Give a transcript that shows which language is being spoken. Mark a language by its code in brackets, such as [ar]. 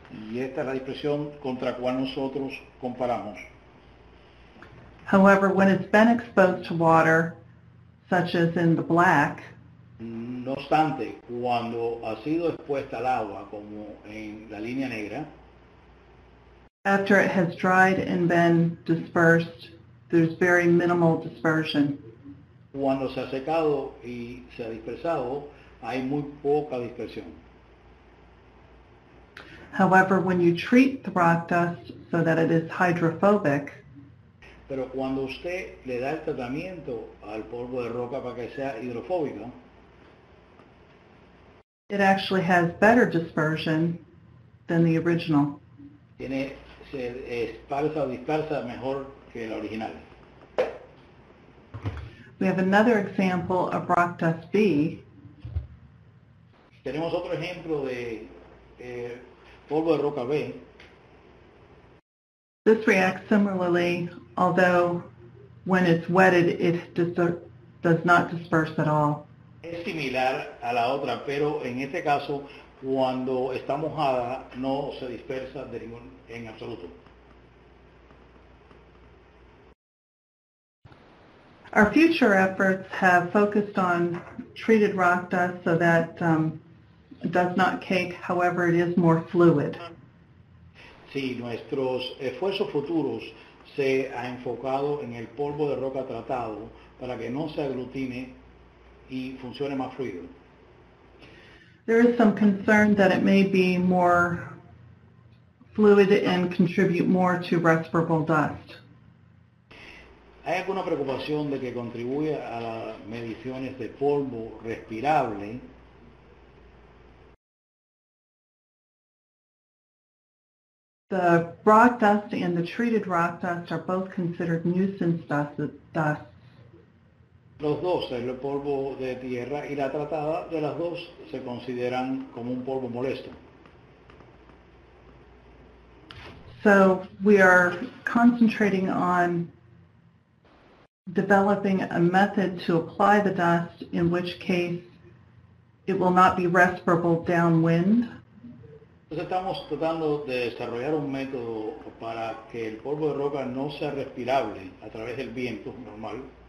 [es] Y esta es la dispersión contra cual nosotros comparamos. [en] However, when it's been exposed to water, such as in the black. [es] No obstante, cuando ha sido expuesta al agua, como en la línea negra. [en] After it has dried and been dispersed, there's very minimal dispersion. [es] Cuando se ha secado y se ha dispersado, hay muy poca dispersión. [en] However, when you treat the rock dust so that it is hydrophobic, [es] pero cuando usted le da el tratamiento al polvo de roca para que sea hidrofóbico, [en] it actually has better dispersion than the original. [es] Tiene se esparza o dispersa mejor que la original. [en] We have another example of rock dust B. [es] Tenemos otro ejemplo de polvo de roca B. [en] This reacts similarly, although when it's wetted, it does not disperse at all. [es] Es similar a la otra, pero en este caso, cuando está mojada, no se dispersa de ningún en absoluto. [en] Our future efforts have focused on treated rock dust so that it does not cake, however it is more fluid. [es] Sí, nuestros esfuerzos futuros se han enfocado en el polvo de roca tratado para que no se aglutine y funcione más fluido. [en] There is some concern that it may be more fluid and contribute more to respirable dust. [es] ¿Hay alguna preocupación de que contribuya a las mediciones de polvo respirable? [en] The rock dust and the treated rock dust are both considered nuisance dust. [es] Los dos, el polvo de tierra y la tratada, de las dos se consideran como un polvo molesto. [en] So we are concentrating on developing a method to apply the dust in which case it will not be respirable downwind. [es] Entonces estamos tratando de desarrollar un método para que el polvo de roca no sea respirable a través del viento normal.